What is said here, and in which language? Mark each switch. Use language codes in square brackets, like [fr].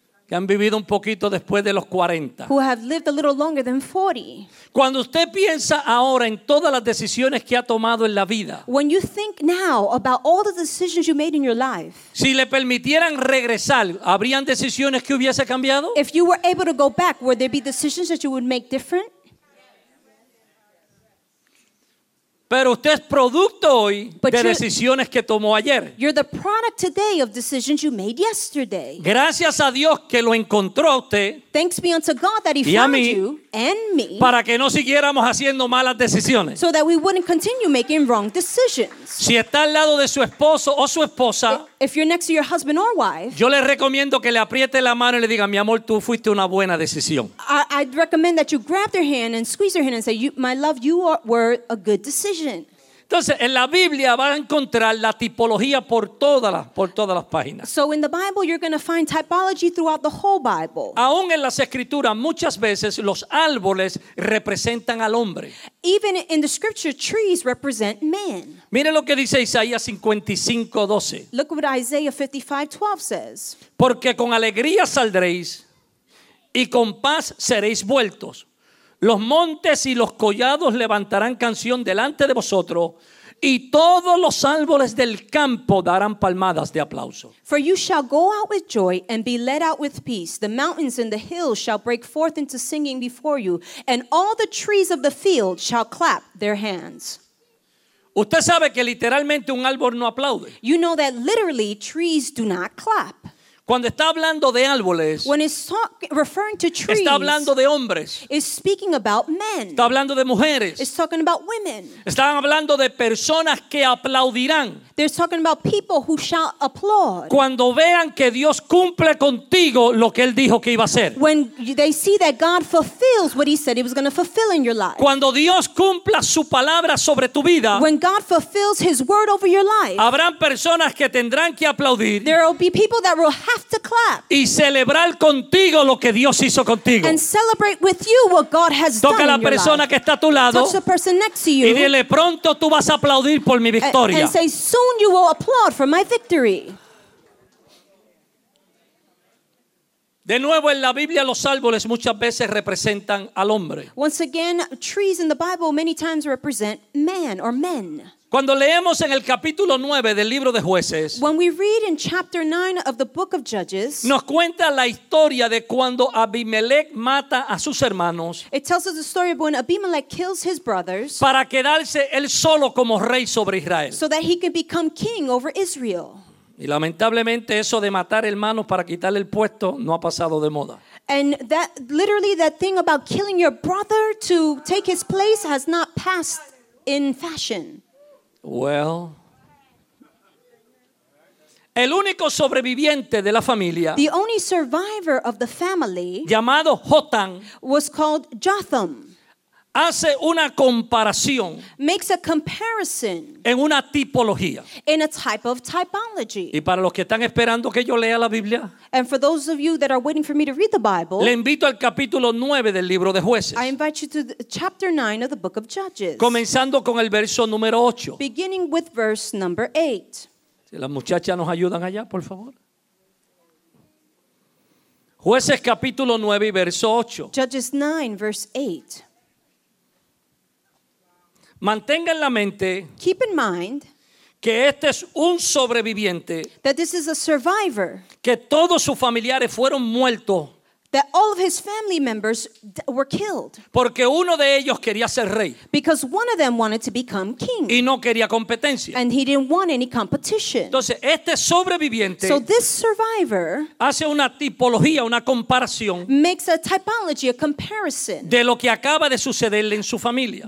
[es] Que han vivido un poquito después de los 40. [en] Who have lived a little longer than 40. [es] Cuando usted piensa ahora en todas las decisiones que ha tomado en la vida. [en] When you think now about all the decisions you made in your life. [es] Si le permitieran regresar, ¿habrían decisiones que hubiese cambiado? [en] If you were able to go back, would there be decisions that you would make different? [es] Pero usted es producto hoy de decisiones que tomó ayer. [en] You're the product today of decisions you made yesterday. [es] Gracias a Dios que lo encontró a usted. [en] Thanks be unto God that he found you and me. [es] Para que no siguiéramos haciendo malas decisiones. [en] So that we wouldn't continue making wrong decisions. [es] Si está al lado de su esposo o su esposa. [en] If you're next to your husband or wife. [es] Yo le recomiendo que le apriete la mano y le diga, mi amor, tú fuiste una buena decisión. [en] I'd recommend that you grab their hand and squeeze their hand and say, my love, you were a good decision. [es] Entonces, en la Biblia va a encontrar la tipología por todas las páginas. [en] So in the Bible, you're going to find typology throughout the whole Bible. [es] Aún en las Escrituras, muchas veces los árboles representan al hombre. [en] Even in the Scripture, trees represent man. [es] Mire lo que dice Isaías 55:12. [en] Look what Isaiah 55:12 says. [es] Porque con alegría saldréis y con paz seréis vueltos. Los montes y los collados levantarán canción delante de vosotros, y todos los árboles del campo darán palmadas de aplauso. [en] For you shall go out with joy and be led out with peace. The mountains and the hills shall break forth into singing before you, and all the trees of the field shall clap their hands. [es] Usted sabe que literalmente un árbol no aplaude. [en] You know that literally trees do not clap. [es] Cuando está hablando de árboles, [en] when it's referring to trees, [es] está hablando de hombres, [en] it's speaking about men. [es] Está hablando de mujeres, [en] it's talking about women. [es] Están hablando de personas que aplaudirán. [en] They're talking about people who shall applaud. [es] Cuando vean que Dios cumple contigo lo que él dijo que iba a hacer. [en] When they see that God fulfills what he said he was going to fulfill in your life. [es] Cuando Dios cumpla su palabra sobre tu vida. [en] When God fulfills his word over your life. [es] Habrán personas que tendrán que aplaudir. [en] There will be people that will have to clap. [es] Y celebrar contigo lo que Dios hizo contigo. [en] And celebrate with you what God has done in your life. [es] Toca la persona que está a tu lado. [en] Touch the person next to you. [es] Y dile pronto tú vas a aplaudir por mi victoria. [en] And say soon you will applaud for my victory. [es] De nuevo en la Biblia los árboles muchas veces representan al hombre. [en] Once again, trees in the Bible many times represent man or men. [es] Cuando leemos en el capítulo 9 del libro de Jueces, [en] when we read in chapter 9 of the book of Judges, [es] nos cuenta la historia de cuando Abimelech mata a sus hermanos. [en] It tells us the story of when Abimelech kills his brothers [es] para quedarse él solo como rey sobre Israel. [en] So that he could become king over Israel. [es] Y lamentablemente eso de matar hermanos para quitarle el puesto no ha pasado de moda. [en] And that literally that thing about killing your brother to take his place has not passed in fashion. [es] Well, el único sobreviviente de la familia, [en] the only survivor of the family, [es] llamado Jotam, [en] was called Jotham. [es] hace una comparación, [en] makes a comparison, [es] en una tipología, [en] in a type of typology. [es] Y para los que están esperando que yo lea la Biblia, [en] and for those of you that are waiting for me to read the Bible, [es] le invito al capítulo 9 del libro de Jueces. [en] I invite you to chapter 9 of the book of Judges, [es] comenzando con el verso número 8. [en] Beginning with verse number 8. [es] Si las muchachas nos ayudan allá, por favor. Jueces capítulo 9 y verso 8. [en] Judges 9 verse 8. [es] Mantenga en la mente, [en] keep in mind, [es] que este es un sobreviviente, [en] that this is a survivor, [es] que todos sus familiares fueron muertos, [en] that all of his family members were killed, [es] porque uno de ellos quería ser rey, [en] because one of them wanted to become king, [es] y no quería competencia, [en] and he didn't want any competition. [es] Entonces este sobreviviente, [en] so this survivor, [es] hace una tipología, una comparación, [en] makes a typology, a comparison, [es] de lo que acaba de sucederle en su familia,